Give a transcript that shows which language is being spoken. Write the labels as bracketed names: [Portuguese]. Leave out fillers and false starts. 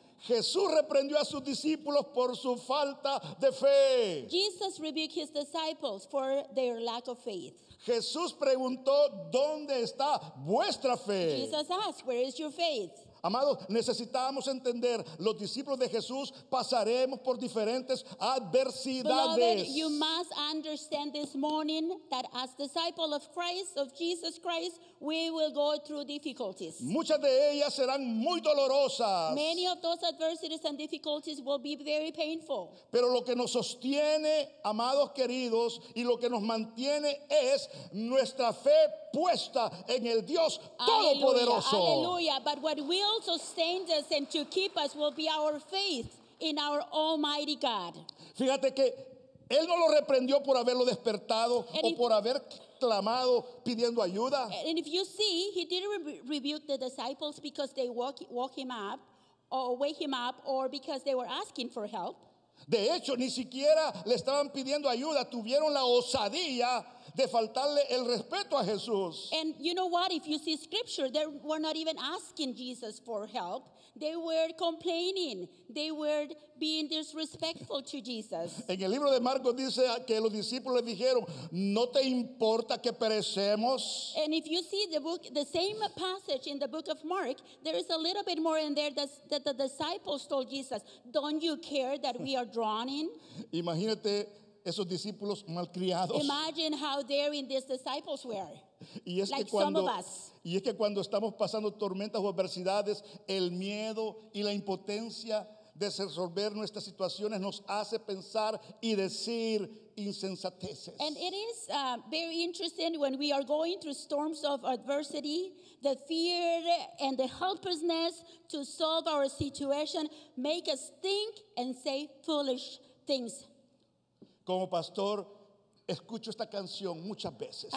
[Spanish] Jesús reprendió a sus discípulos por su falta de fe. [English] Jesus rebuked his disciples for their lack of faith. [Spanish] Jesús preguntó, ¿dónde está vuestra fe? [English] Jesus asked, where is your faith? [Spanish] Amados, necesitamos entender, los discípulos de Jesús pasaremos por diferentes adversidades. [English] Beloved, you must understand this morning that as disciples of Christ, of Jesus Christ, we will go through difficulties. [Spanish] Muchas de ellas serán muy dolorosas. [English] Many of those adversities and difficulties will be very painful. [Spanish] Pero lo que nos sostiene, amados queridos, y lo que nos mantiene es nuestra fe puesta en el Dios Todopoderoso. Aleluya, [English] but what will sustain us and to keep us will be our faith in our Almighty God. [Spanish] Fíjate que Él no lo reprendió por haberlo despertado o por haber clamado pidiendo ayuda. [English] And if you see, He didn't rebuke the disciples because they woke Him up or wake Him up or because they were asking for help. [Spanish] De hecho, ni siquiera le estaban pidiendo ayuda. Tuvieron la osadía de faltarle el respeto a Jesús. [English] And you know what? If you see scripture, they were not even asking Jesus for help. They were complaining. They were being disrespectful to Jesus. [Spanish] En el libro de Marcos dice que los discípulos le dijeron, ¿no te importa que perecemos? [English] And if you see the same passage in the book of Mark, there is a little bit more in there that the disciples told Jesus, don't you care that we are drowning? [Spanish] Imagínate esos discípulos malcriados. [English] Imagine how daring these disciples were. [Spanish] Y es [English] like [Spanish] que cuando, [English] some of us. [Spanish] Y es que cuando estamos pasando tormentas o adversidades, el miedo y la impotencia de resolver nuestras situaciones nos hace pensar y decir insensateces. [English] And it is very interesting when we are going through storms of adversity, the fear and the helplessness to solve our situation make us think and say foolish things. [Spanish] Como pastor, escucho esta canción muchas veces.